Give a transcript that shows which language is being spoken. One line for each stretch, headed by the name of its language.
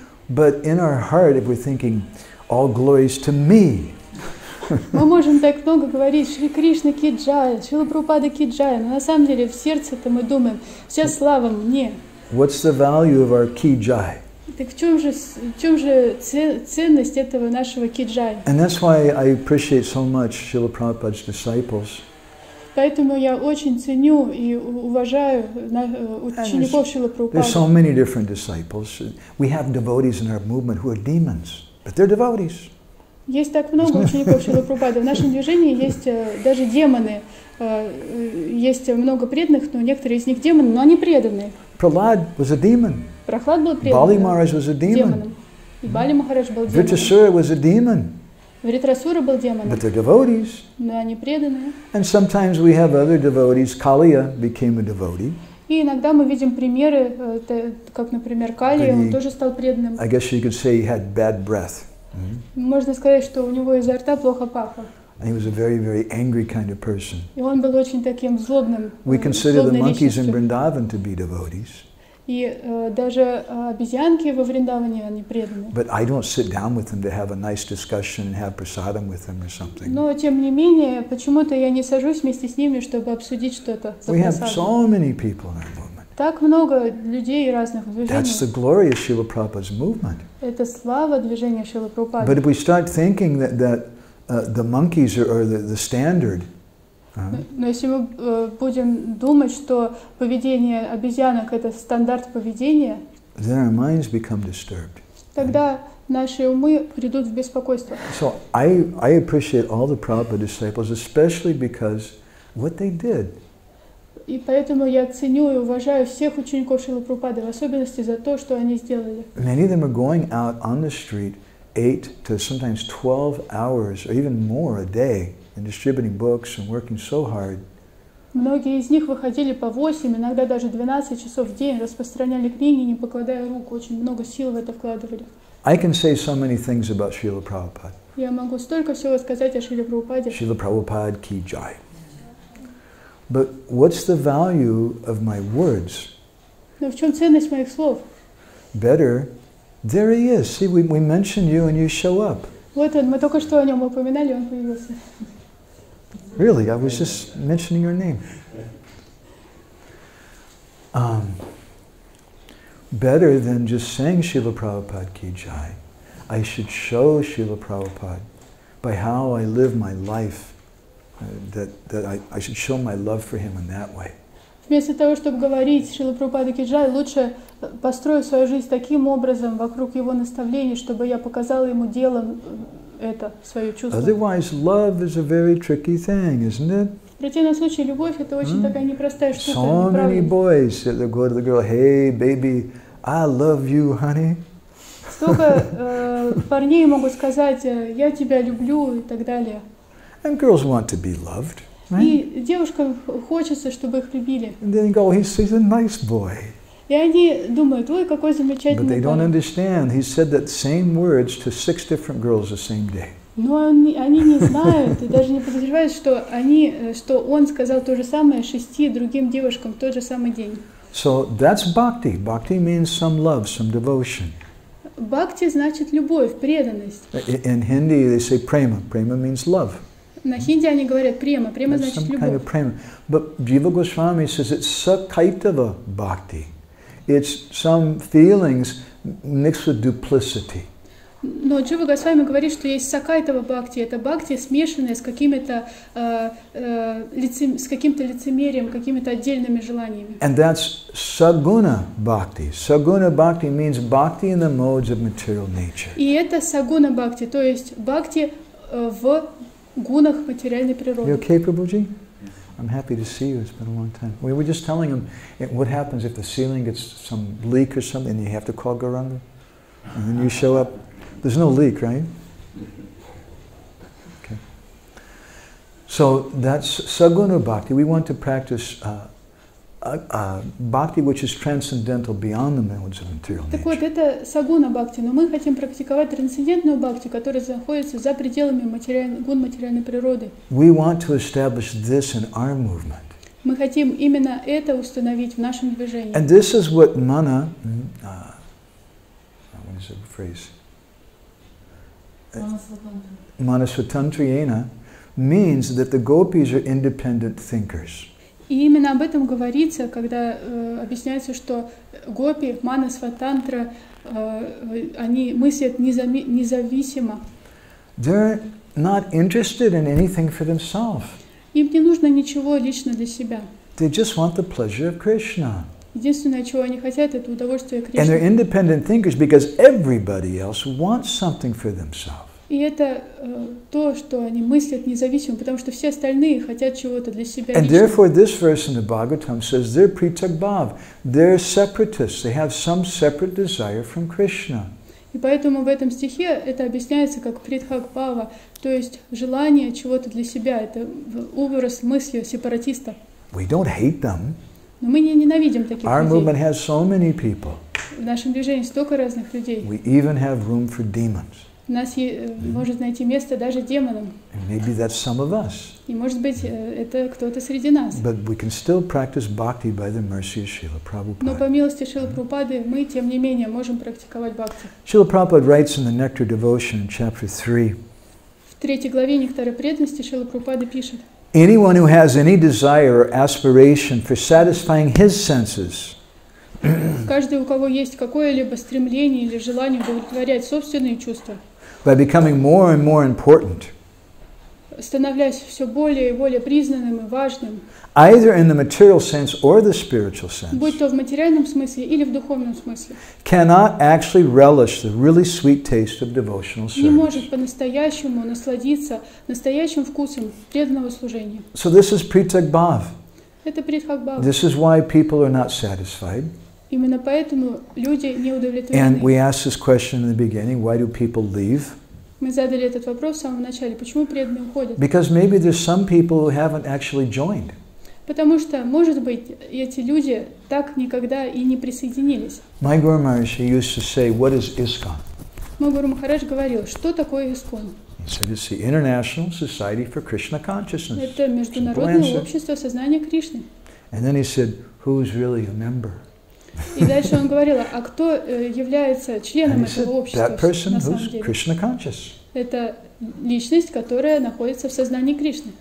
English: But in our heart, if we're thinking, all glories to me.
Russian: Мы можем так много говорить, Шри Кришна ки джай, Шрила Прабхупада ки джай, но на самом деле в сердце-то мы думаем, вся слава мне.
English: What's the value of our ki jai?
Russian: Так в чем же ценность этого нашего киджая?
English: And that's why I appreciate so much Srila Prabhupada's disciples.
Russian: Поэтому я очень ценю и уважаю учеников Шрилы Прабхупады.
English: There's so many different disciples. We have devotees in our movement who are demons, but they're devotees.
Russian: Есть так много учеников Шрилы Прабхупады. В нашем движении есть даже демоны. Есть много преданных, но некоторые из них демоны, но они преданные.
English: Prahlad was a demon.
Russian: Прохлад был преданным.
English: Бали Махарадж was a demon.
Russian: И Бали Махарадж был демоном.
English: Вритрасура was a demon.
Russian: Вритрасура был демоном.
English: But they're devotees.
Russian: Но они преданные.
English: And sometimes we have other devotees. Калия became a devotee.
Russian: И иногда мы видим примеры, как, например, Калия, он тоже стал преданным.
English: I guess you could say he had bad breath.
Russian: Можно сказать, что у него изо рта плохо пахло.
English: And he was a very, very angry kind of person.
Russian: И он был очень таким злобным.
English: We consider the monkeys in Vrindavan to be devotees.
Russian: И даже обезьянки во Вриндаване, они преданы.
English: But I don't sit down with them to have a nice discussion and have prasadam with them or something.
Russian: Но тем не менее, почему-то я не сажусь вместе с ними, чтобы обсудить что-то.
English: We have so many people in our movement.
Russian: Так много людей разных движений.
English: That's the glory of Srila Prabhupada's movement.
Russian: Это слава движения Шрилы Прабхупады.
English: But if we start thinking that the monkeys are the standard.
Russian: Но если мы будем думать, что поведение обезьянок это стандарт поведения,
English: then our minds become disturbed.
Russian: Тогда наши умы придут в беспокойство.
English: So I appreciate all the Prabhupada disciples, especially because what they did.
Russian: И поэтому я ценю и уважаю всех учеников Шрилы Прабхупады, в особенности за то, что они сделали.
English: Many of them are going out on the street 8 to sometimes 12 hours or even more a day. And distributing books and working so hard.
Russian: Многие из них выходили по 8, иногда даже 12 часов в день, распространяли книги, не покладая рук, очень много сил в это вкладывали.
English: I can say so many things about Srila Prabhupada.
Russian: Я могу столько всего сказать о Шриле Прабхупаде.
English: Srila Prabhupada ki jai. But what's the value of my words?
Russian: Но в чем ценность моих слов?
English: Better, there he is. See, we mention you and you show up.
Russian: Вот он, мы только что о нем упоминали, он появился.
English: Really, I was just mentioning your name. Better than just saying Srila Prabhupada ki jai, I should show Srila Prabhupada by how I live my life, that I should show my love for him in that way.
Russian: Вместо того, чтобы говорить Шрила Прабхупада ки джай, лучше построить свою жизнь таким образом, вокруг его наставлений, чтобы я показал ему делом это, свое чувство.
English: Otherwise, love is a very tricky thing, isn't it?
Russian: В противном случае, любовь — это очень такая непростая штука.
English: So many boys said they go to the girl, hey, baby, I love you, honey.
Russian: Столько парней могут сказать, я тебя люблю и так далее.
English: And girls want to be loved. Right?
Russian: И девушкам хочется, чтобы их любили.
English: And then they go, he's a nice boy.
Russian: И они думают, ой, какой замечательный парень.
English: But they don't understand. He said that same words to 6 different girls the same day.
Russian: Но они не знают и даже не подозревают, что он сказал то же самое 6 другим девушкам в тот же самый день.
English: So that's bhakti. Bhakti means some love, some devotion.
Russian: Бхакти значит любовь, преданность.
English: In Hindi they say prema. Prema means love.
Russian: На хинди они говорят према. Према значит любовь.
English: Kind of But Jiva Goswami says it's sakaitava bhakti. It's some feelings mixed with duplicity.
Russian: Но Джива Госвами говорит, что есть сакайтава бхакти. Это бхакти, смешанная с какими-то с каким-то лицемерием, какими-то отдельными желаниями.
English: And that's saguna bhakti. Saguna bhakti means bhakti in the modes of material nature.
Russian: И это сагуна бхакти, то есть бхакти в гунах материальной природы.
English: You okay, Prabhuji? I'm happy to see you. It's been a long time. We were just telling him what happens if the ceiling gets some leak or something and you have to call Gauranga and then you show up. There's no leak, right? Okay. So that's saguna bhakti. We want to practice bhakti, which is transcendental, beyond the modes of material nature.
Russian: Так вот, это сагуна бхакти, но мы хотим практиковать трансцендентную бхакти, которая находится за пределами гун материальной природы.
English: We want to establish this in our movement.
Russian: Мы хотим именно это установить в нашем движении.
English: And this is what mana, what is the phrase? Manasvatantriyena means that the gopis are independent thinkers.
Russian: И именно об этом говорится, когда объясняется, что гопи, манасватантра, они мыслят независимо.
English: They're not interested in anything for themselves.
Russian: Им не нужно ничего лично для себя.
English: They just want the pleasure of Krishna.
Russian: Единственное, чего они хотят, это удовольствие Кришны.
English: And they're independent thinkers because everybody else wants something for themselves.
Russian: И это то, что они мыслят независимо, потому что все остальные хотят чего-то для себя.
English: And therefore this verse in the Bhagavatam says they're pritakbhav. They're separatists. They have some separate desire from Krishna.
Russian: И поэтому в этом стихе это объясняется как притхакбава, то есть желание чего-то для себя. Это образ мысли сепаратиста.
English: We don't hate them.
Russian: Но мы не ненавидим таких
English: Our
Russian: людей.
English: Our movement has so many people.
Russian: В нашем движении столько разных людей.
English: We even have room for demons.
Russian: нас может найти место даже демонам.
English: Maybe that's some of us.
Russian: И может быть это кто-то среди нас.
English: But we can still practice bhakti by the mercy of Srila Prabhupada.
Russian: Но по милости Шрилы Прабхупады мы тем не менее можем практиковать бхакти.
English: Srila Prabhupada writes in the Nectar Devotion in chapter 3.
Russian: В третьей главе Нектара преданности Шрила Прабхупада пишет.
English: Anyone who has any desire or aspiration for satisfying his senses.
Russian: Каждый, у кого есть какое-либо стремление или желание удовлетворять собственные чувства.
English: By becoming more and more important.
Russian: Становясь все более и более признанным и важным.
English: Either in the material sense or the spiritual sense.
Russian: Будь то в материальном смысле или в духовном смысле.
English: Cannot actually relish the really sweet taste of devotional service.
Russian: Не может по-настоящему насладиться настоящим вкусом преданного служения.
English: So this is Pritak Bhav.
Russian: Это Притхак Бхав.
English: This is why people are not satisfied.
Russian: Именно поэтому люди не удовлетворены.
English: And we asked this question in the beginning, why do people leave?
Russian: Мы задали этот вопрос в самом начале, почему преданные уходят?
English: Because maybe there's some people who haven't actually joined.
Russian: Потому что, может быть, эти люди так никогда и не присоединились.
English: My Guru Maharaj used to say, what is ISKCON?
Russian: Мой Гуру Махарадж говорил, что такое ISKCON?
English: He said, it's the International Society for Krishna Consciousness.
Russian: Это международное общество сознания Кришны.
English: And then he said, who's really a member?
Russian: И дальше он говорил, а кто является членом этого общества?
English: That person who's Krishna conscious.
Russian: Это личность, которая находится в сознании Кришны.